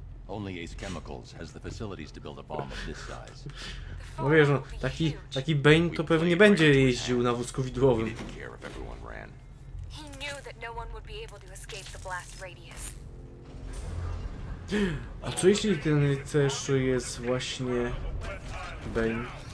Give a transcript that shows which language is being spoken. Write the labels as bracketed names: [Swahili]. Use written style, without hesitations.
[English] Only Ace Chemicals has the facilities to build a bomb of this size. [Polish] No wiesz, taki Bane to pewnie będzie jeździł na wózku widłowym. [English] He knew that no one would be able to escape the blast radius. [Polish] A co jeśli ten rycerz jest właśnie Bane?